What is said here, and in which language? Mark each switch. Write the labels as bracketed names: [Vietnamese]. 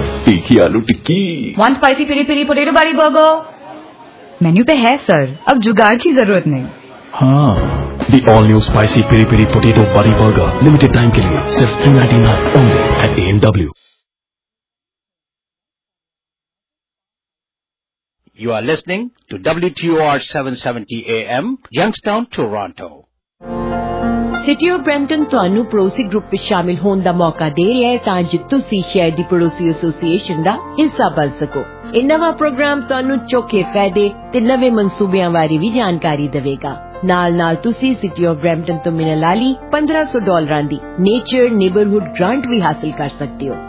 [Hindi] ਟਿੱਕੀ aloo tikki, [English] One spicy peri peri potato ਬਾਰੀ burger. [Hindi] ਮੈਨੂ ਪੇ ਹੈ ਸਰ, ਅਬ ਜੁਗਾੜ ਕੀ ਜ਼ਰੂਰਤ ਨਹੀਂ। [English] ਹਾਂ, the all new spicy peri peri potato ਬਾਰੀ burger limited time [Hindi] ਕੇ ਲਿਏ ਸਿਰਫ [English] 399 only at NW। You are listening to WTOR 770 AM, Youngstown, Toronto. [Punjabi] City of Brampton ਤੁਹਾਨੂੰ ਪੜੋਸੀ ਗਰੁੱਪ ਵਿਚ ਸ਼ਾਮਿਲ ਹੋਣ ਦਾ ਮੌਕਾ ਦੇ ਰਿਹਾ ਹੈ ਤਾਂ ਜੋ ਤੁਸੀਂ ਸ਼ਹਿਰ ਦੀ ਪੜੋਸੀ ਐਸੋਸੀਏਸ਼ਨ ਦਾ ਹਿੱਸਾ ਬਣ ਸਕੋ। ਇਹ ਨਵਾਂ ਪ੍ਰੋਗਰਾਮ ਤੁਹਾਨੂੰ ਚੋਖੇ ਫਾਇਦੇ ਤੇ ਨਵੇਂ ਮਨਸੂਬਿਆਂ ਬਾਰੇ ਵੀ ਜਾਣਕਾਰੀ ਦੇਵੇਗਾ। ਨਾਲ ਨਾਲ ਤੁਸੀਂ ਸਿਟੀ ਆਫ ਬ੍ਰੈਂਪਟਨ ਤੋਂ ਮਿਲਣ ਵਾਲੀ $1500 ਦੀ ਨੇਚਰ ਨੇਬਰਹੁੱਡ ਗ੍ਰਾਂਟ ਵੀ ਹਾਸਲ ਕਰ ਸਕਦੇ ਹੋ।